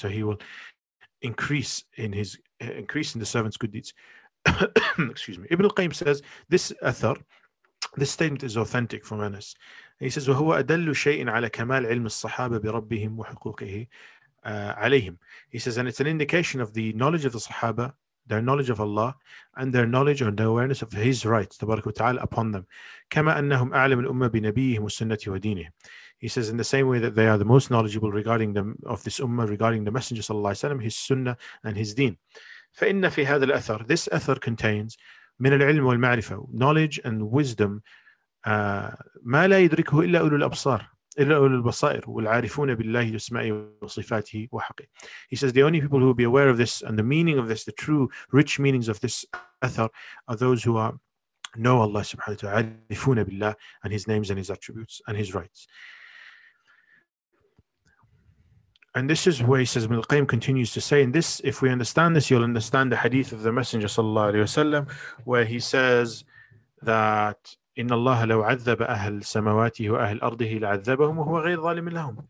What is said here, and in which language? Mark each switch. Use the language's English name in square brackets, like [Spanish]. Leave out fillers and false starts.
[English] So He will increase in the servant's good deeds. Excuse me. Ibn al-Qayyim says this athar, this statement is authentic from Anas. He says, [Arabic] وَهُوَ أَدَلُّ شَيْءٍ عَلَى كَمَالِ عِلْمِ الصَّحَابَ بِرَبِّهِمْ وَحُقُوقِهِ عَلَيْهِمْ. [English] He says, and it's an indication of the knowledge of the Sahaba, their knowledge of Allah, and their knowledge and awareness of His rights, [Arabic] تبارك وتعالى, [English] upon them. [Arabic] كَمَا أَنَّهُمْ أَعْلَمُ الْأُمَّةِ بِنَبِيِّهِمْ وَسُنَّةِ وَدِينِهِ. [English] He says, in the same way that they are the most knowledgeable regarding them of this Ummah, regarding the Messenger [Arabic] صلى الله عليه وسلم, [English] His Sunnah and His Deen. [Arabic] فَإِنَّ فِي هَذَا الْأَثَرِ. [English] This Athar contains [Arabic] من العلم والمعرفة, [English] knowledge and wisdom, [Arabic] ما لا يدركه إلا أولو الأبصار إلا أولو البصائر والعارفون بالله أسمائه وصفاته وحقه. [English] He says the only people who will be aware of this and the meaning of this, the true rich meanings of this athar, are those who know Allah subhanahu wa ta'ala, [Arabic] عارفون بالله, [English] and His names and His attributes and His rights. And this is where he says, Ibn al-Qayyim continues to say, and this, if we understand this, you'll understand the hadith of the Messenger sallallahu alayhi wa sallam, where he says that [Arabic] إن الله لو عذب أهل سمواته وأهل أرضه لعذبهم وهو غير ظالم لهم.